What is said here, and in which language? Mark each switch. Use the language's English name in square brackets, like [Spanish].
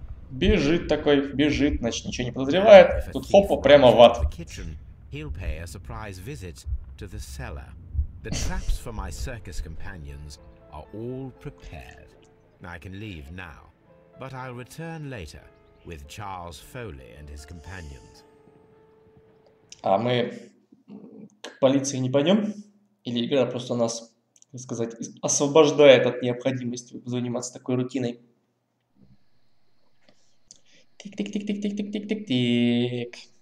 [Russian] Бежит такой, бежит, значит, ничего не подозревает. Тут хопа прямо в ад. [English] He'll pay a surprise visit to the cellar. The traps for my circus companions are all prepared. I can leave now, but I'll return later with Charles Foley and his companions. [Russian] А мы к полиции не пойдем? Или игра просто нас, так сказать, освобождает от необходимости заниматься такой рутиной? Тик-тик-тик-тик-тик-тик-тик-тик-тик.